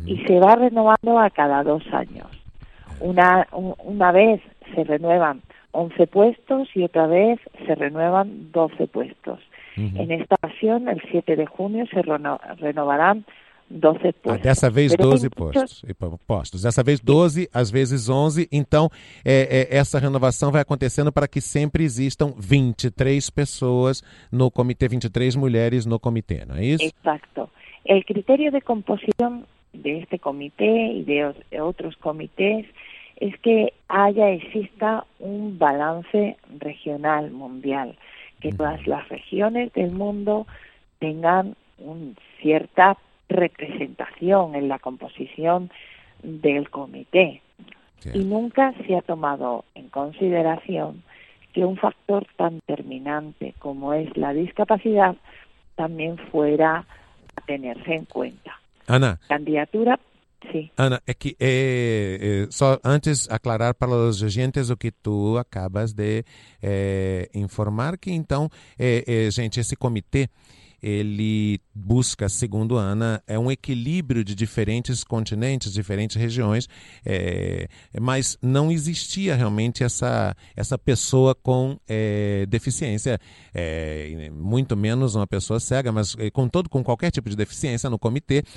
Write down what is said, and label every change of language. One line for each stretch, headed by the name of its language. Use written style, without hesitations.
Spanish: Y se va renovando a cada 2 años. Una vez se renuevan 11 puestos y otra vez se renuevan 12 puestos. Uh-huh. En esta ocasión, el 7 de junio, se renovarán 12 puestos.
Portuguese: Dessa vez 12 postos. Dessa vez 12, às vezes 11. Então, essa renovação vai acontecendo para que sempre existam 23 pessoas no comitê, 23 mulheres no comitê, não é isso? Exato. O critério de composição deste comitê e de outros comitês é que exista um balance regional mundial, que todas as regiões do mundo tenham uma certa
Spanish: representación en la composición del comité. Y nunca se ha tomado en consideración que un factor tan determinante como es la discapacidad también fuera a tenerse en cuenta. Ana. Candidatura. Sí.
Portuguese: Ana, é que só antes aclarar para os agentes o que tu acabas de informar, que então, gente, esse comitê, ele busca, segundo Ana, é um equilíbrio de diferentes continentes, diferentes regiões, mas não existia realmente essa pessoa com deficiência, muito menos uma pessoa cega, mas contudo com qualquer tipo de deficiência no comitê.